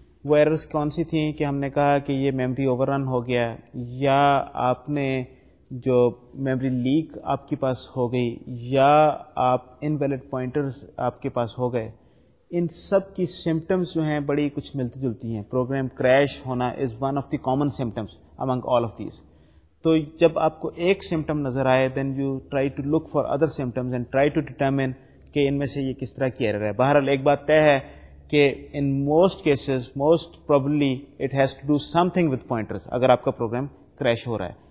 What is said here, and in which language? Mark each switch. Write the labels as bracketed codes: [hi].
[ur] وہ ایررز کون سی تھیں کہ ہم نے کہا کہ یہ میموری اوور رن ہو گیا یا آپ نے جو میموری لیک آپ کے پاس ہو گئی یا آپ انویلڈ پوائنٹرز آپ کے پاس ہو گئے. ان سب کی سمپٹمز جو ہیں بڑی کچھ ملتی جلتی ہیں. [en] Program crash ہونا is one of the common symptoms among all of these. [ur] تو جب آپ کو ایک سمپٹم نظر آئے [en] then you try to look for other symptoms and try to determine [ur] کہ ان میں سے یہ کس طرح کی ایرر ہے. بہرحال ایک بات طے ہے کہ [en] in most cases most probably it has to do something with pointers [ur] اگر آپ کا پروگرام کریش ہو رہا ہے.